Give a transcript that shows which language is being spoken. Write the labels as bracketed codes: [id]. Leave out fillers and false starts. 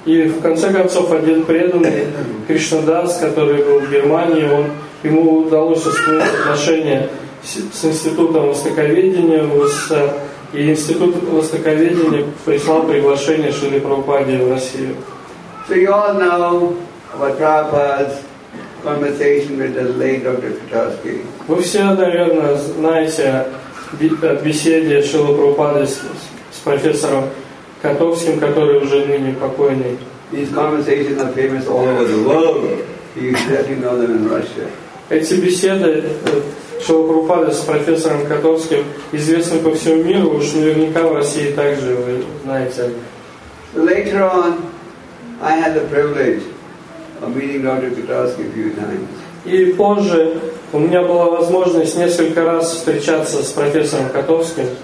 [ru] И в конце концов один преданный Кришна Дас, который был в Германии, ему удалось установить отношения с Институтом Востоковедения и Институт Востоковедения прислал приглашение Шриле Прабхупаде в Россию. [en] So you all know about Prabhupada's conversation with the late Dr. Petrovsky. [ru] Вы все, наверное, знаете о беседе Шрилы Прабхупады с профессором Котовским, который уже ныне покойный. [en] These conversations are famous all over the world. You certainly know them in Russia. [ru] Эти беседы Шрилы Прабхупады с профессором Котовским известны по всему миру, уж наверняка в России также вы знаете. [en] Later on, I had the privilege of meeting Dr. Petrovsky a few times. [ru] И позже у меня была возможность несколько раз встречаться с профессором Котовским.